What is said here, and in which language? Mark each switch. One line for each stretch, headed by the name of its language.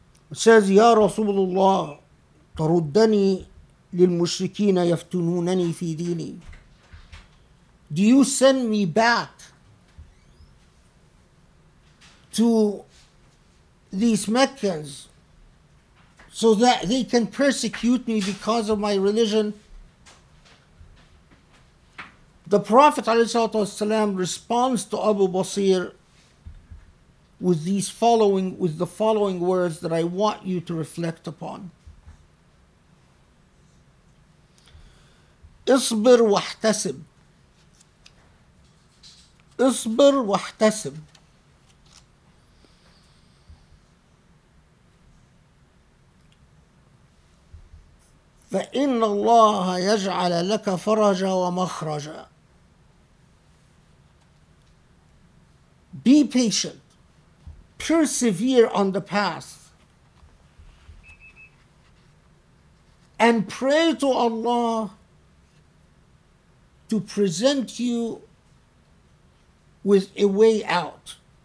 English: It says,
Arabic: Ya Rasulullah, taruddani للمشركين يفتنونني في ديني.
English: Do you send me back to these Meccans so that they can persecute me because of my religion? The Prophet ﷺ responds to Abu Basir with the following words that I want you to reflect upon.
Arabic: اصبر واحتسب اصبر واحتسب فإن الله يجعل لك فرجا ومخرجا.
English: Be patient, persevere on the path, and pray to Allah to present you with a way out.